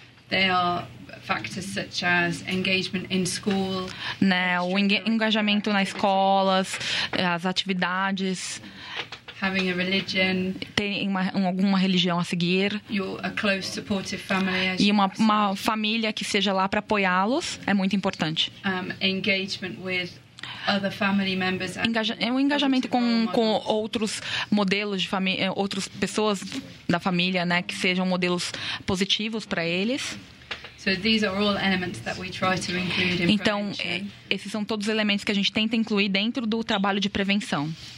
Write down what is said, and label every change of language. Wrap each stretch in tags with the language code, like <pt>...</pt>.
<en>They are factors such as engagement in school,</en> <pt>né, o engajamento nas escolas, as atividades,</pt> <en>having a religion,</en> <pt>ter alguma religião a seguir,</pt> <en>a close supportive family,</en> <pt>e uma família que seja lá para apoiá-los é muito importante.</pt> <en>Engagement with other family members.</en> <pt>Engajamento com outros modelos de família, outras pessoas da família, né, que sejam modelos positivos para eles.</pt> <en>So these are all elements that we try to include in prevention.</en> <pt>Então, esses são todos elementos que a gente tenta incluir dentro do trabalho de prevenção.</pt>